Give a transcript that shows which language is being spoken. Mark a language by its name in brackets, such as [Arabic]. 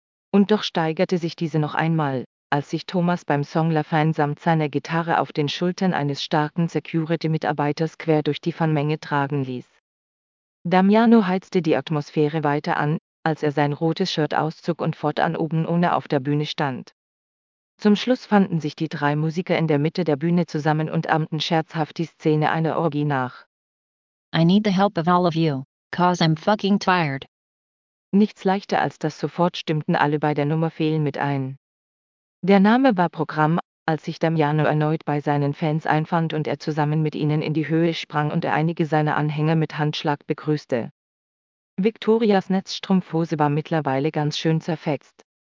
[German] Und doch steigerte sich diese noch einmal, als sich Thomas beim Song La Fine samt seiner Gitarre auf den Schultern eines starken Security-Mitarbeiters quer durch die Fanmenge tragen ließ. Damiano heizte die Atmosphäre weiter an, als er sein rotes Shirt auszog und fortan oben ohne auf der Bühne stand. Zum Schluss fanden sich die drei Musiker in der Mitte der Bühne zusammen und ahmten scherzhaft die Szene einer Orgie nach. [English] I need the help of all of you, cause I'm fucking tired. [German] Nichts leichter als das sofort stimmten alle bei der Nummer fehlen mit ein. Der Name war Programm, als sich Damiano erneut bei seinen Fans einfand und er zusammen mit ihnen in die Höhe sprang und er einige seiner Anhänger mit Handschlag begrüßte. Victorias Netzstrumpfhose war mittlerweile ganz schön zerfetzt.